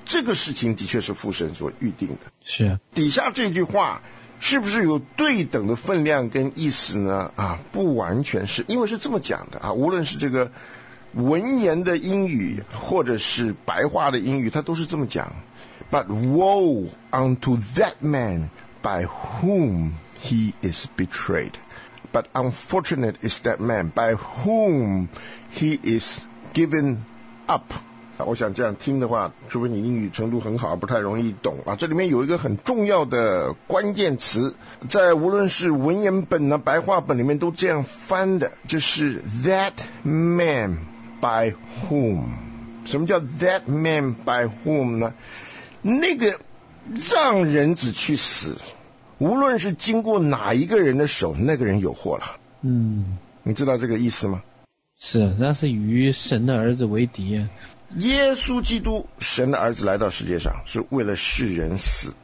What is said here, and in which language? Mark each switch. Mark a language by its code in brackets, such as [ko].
[zh] 这个事情的确是父神所预定的。是。底下这句话是不是有对等的分量跟意思呢？啊，不完全是，因为是这么讲的啊。无论是这个文言的英语，或者是白话的英语，它都是这么讲。 [en] But woe unto that man by whom he is betrayed. But unfortunate is that man by whom he is given up. [zh] 我想这样听的话，除非你英语程度很好，不太容易懂啊。这里面有一个很重要的关键词，在无论是文言本呢、白话本里面都这样翻的，就是 [en] that man by whom。 [zh] 什么叫 [en] that man by whom [zh] 呢？那个让人子去死，无论是经过哪一个人的手，那个人有祸了。嗯，你知道这个意思吗？是，那是与神的儿子为敌啊。耶稣基督，神的儿子来到世界上，是为了世人死。